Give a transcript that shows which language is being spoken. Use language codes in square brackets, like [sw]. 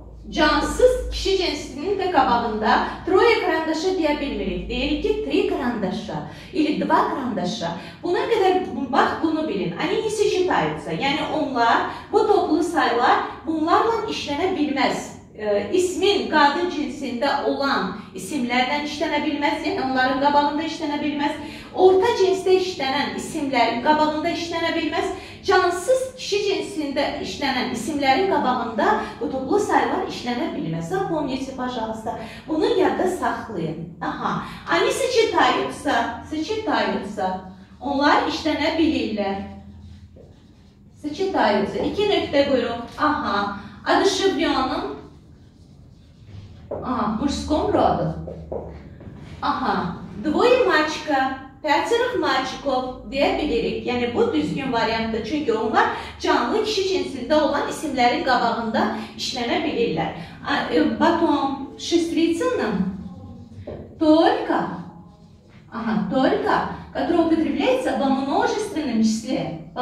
[az] Cansız kişi cinsinin də qabağında [ru] трое карандаша [az] deyə bilmirik. Deyirik ki, [ru] три карандаша или два карандаша. [az] Buna qədər, bax, bunu bilin. [ru] Они не сочетаются. [az] Yəni, onlar, bu toplu saylar bunlarla işlənə bilməz. İsmin qadın cinsində olan isimlərdən işlənə bilməz. Yəni, onların qabağında işlənə bilməz. Orta cinsdə işlənən isimlərin qabağında işlənə bilməz. Cansız kişi cinsində işlənən isimlərin qabağında bu toplu saylar işlənə bilməz. [ru] Помните, пожалуйста, [az] bunu yadda saxlayın. [ru] Aha, они сочетаются, сочетаются. [az] Onlar işlənə bilirlər. [ru] Сочетаются. [az] İki nöqtə buyurun. [ru] Aha, одушевленным. Aha, мужском роду. Aha, двое мальчика. Пятеро мальчиков [az] deyə bilirik. Yəni, bu düzgün variantdır. Çünki onlar canlı kişi cinsində olan isimlərin qabağında işlənə bilirlər. [ru] Потом, шестрицыным, только, aha, только, который употребляется во множественном числе.